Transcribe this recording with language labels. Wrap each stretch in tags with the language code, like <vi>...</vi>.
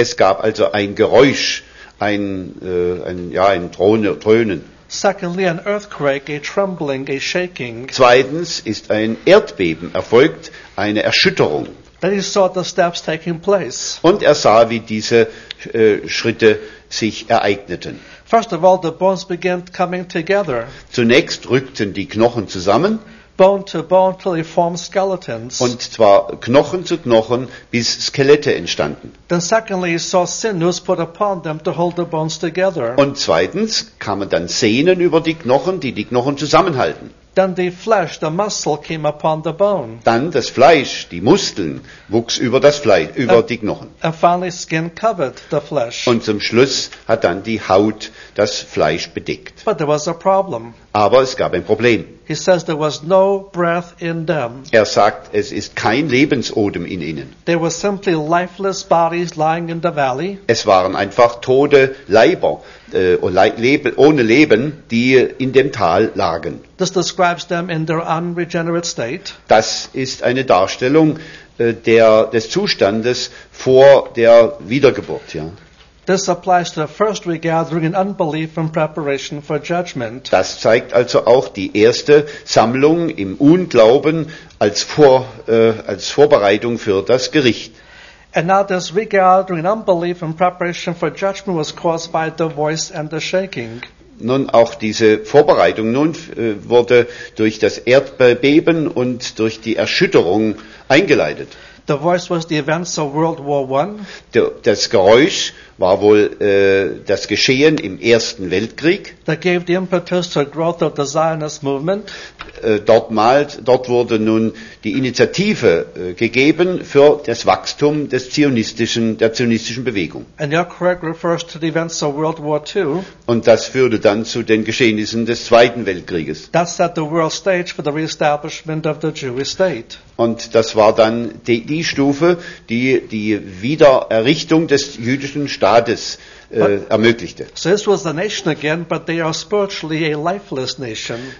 <de>Es gab also ein Geräusch, ein Dröhnen.</de> <en>Secondly, an earthquake, a trembling, a shaking.</en> <de>Zweitens ist ein Erdbeben erfolgt, eine Erschütterung.</de> <en>Then he saw the steps taking place.</en> <de>Und er sah, wie diese Schritte sich ereigneten.</de> <en>First of all, the bones began coming together.</en> <de>Zunächst rückten die Knochen zusammen.</de> <en>Bone to bone till they formed skeletons.</en> <de>Und zwar Knochen zu Knochen, bis Skelette entstanden.</de> <en>Then secondly, he saw sinews put upon them to hold the bones together.</en> <de>Und zweitens kamen dann Sehnen über die Knochen zusammenhalten.</de> <en>Then the flesh, the muscle came upon the bone.</en> <de>Dann das Fleisch, die Muskeln, wuchs über das Fleisch, über die Knochen.</de> <en>And finally, skin covered the flesh.</en> <de>Und zum Schluss hat dann die Haut das Fleisch bedeckt.</de> <en>But there was a problem.</en> <de>Aber es gab ein Problem.</de> <en>He says there was no breath in them.</en> <de>Er sagt, es ist kein Lebensodem in ihnen.</de> <en>They were simply lifeless bodies lying in the valley.</en> <de>Es waren einfach tote Leiber, ohne Leben, die in dem Tal lagen.</de> <en>This describes them in their unregenerate state.</en> <de>Das ist eine Darstellung des Zustandes vor der Wiedergeburt. Ja.</de> <en>This applies to the first regathering in unbelief and preparation for judgment.</en> <de>Das zeigt also auch die erste Sammlung im Unglauben als Vorbereitung für das Gericht.</de> <en>And now this regathering in unbelief and preparation for judgment was caused by the voice and the shaking.</en> <de>Nun auch diese Vorbereitung nun wurde durch das Erdbeben und durch die Erschütterung eingeleitet.</de> <en>The voice was the events of World War I.</en> <de>Das Geräusch war wohl das Geschehen im Ersten Weltkrieg.</de> <en>That gave the impetus to the growth of the Zionist movement.</en> <de>Dort wurde nun die Initiative gegeben für das Wachstum der zionistischen Bewegung.</de> <en>And your correct refers to the events of World War II.</en> <de>Und das führte dann zu den Geschehnissen des Zweiten Weltkrieges.</de> <en>That set the world stage for the reestablishment of the Jewish state.</en> <de>Und das war dann die Stufe, die Wiedererrichtung des jüdischen Staates ermöglichte.</de> <en>So this was the nation again, but they are spiritually a lifeless nation.</en>